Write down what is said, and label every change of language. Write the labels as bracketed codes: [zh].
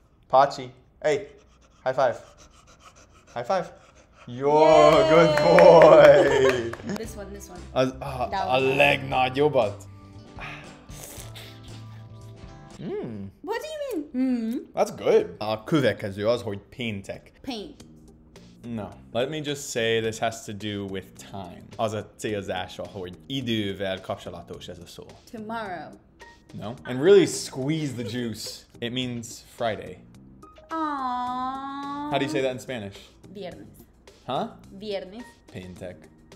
[en] Pachi. Hey, high five. High five. Yo, yay. Good boy. This one. [hu] Az, a legnagyobbat. [en] What do you mean? Mm. That's good. [hu] A következő az, hogy péntek. [en] Paint. No. Let me just say this has to do with time. [hu] Az a célzása, hogy idővel kapcsolatos ez a szó. [en] Tomorrow. No. And really squeeze the juice. It means Friday. Aww. How do you say that in Spanish? [es] Viernes. [en] Huh? [es] Viernes. [hu] Péntek.